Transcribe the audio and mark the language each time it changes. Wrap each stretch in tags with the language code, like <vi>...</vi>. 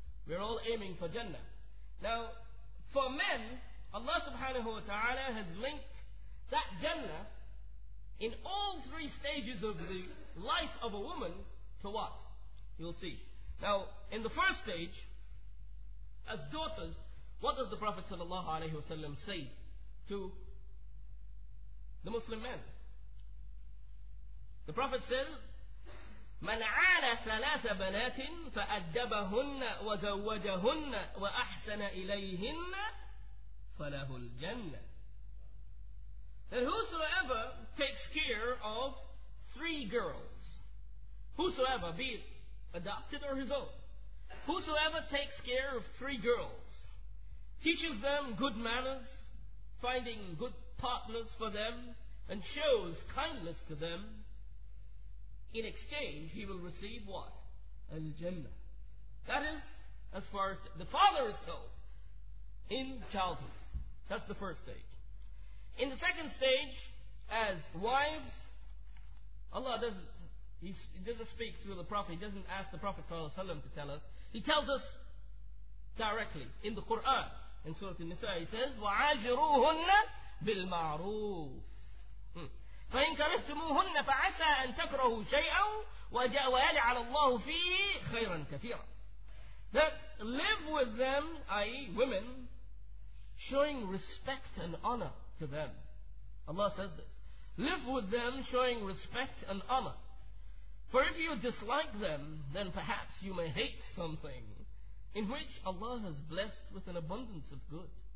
<en>We're all aiming for Jannah. Now, for men, Allah subhanahu wa ta'ala has linked that Jannah in all three stages of the life of a woman to what? You'll see. Now, in the first stage, as daughters, what does the Prophet sallallahu alayhi wa sallam say to the Muslim men? The Prophet says,</en> <ar>مَنْ عَالَ ثَلَاثَ بَنَاتٍ فَأَدَّبَهُنَّ وَزَوَّجَهُنَّ وَأَحْسَنَ إِلَيْهِنَّ فَلَهُ الْجَنَّةِ.</ar> <en>That whosoever takes care of three girls, whosoever, be it adopted or his own, whosoever takes care of three girls, teaches them good manners, finding good partners for them, and shows kindness to them, in exchange he will receive what? Al-Jannah. That is as far as the father is told in childhood. That's the first stage. In the second stage, as wives, Allah doesn't He doesn't speak through the Prophet. He doesn't ask the Prophet ﷺ to tell us. He tells us directly in the Quran. In Surah An-Nisa, he says,</en> <ar>وَعَاجِرُوهُنَّ بِالْمَعْرُوفِ فَإِنْ كَرِهْتُمُوهُنَّ فَعَسَىٰ أَنْ تَكْرَهُوا شَيْئًا وَيَجْعَلَ عَلَى اللَّهُ فِيهِ خَيْرًا كَثِيرًا.</ar> <en>That live with them, i.e. women, showing respect and honor to them. Allah says this. Live with them showing respect and honor. For if you dislike them, then perhaps you may hate something in which Allah has blessed with an abundance of good.</en>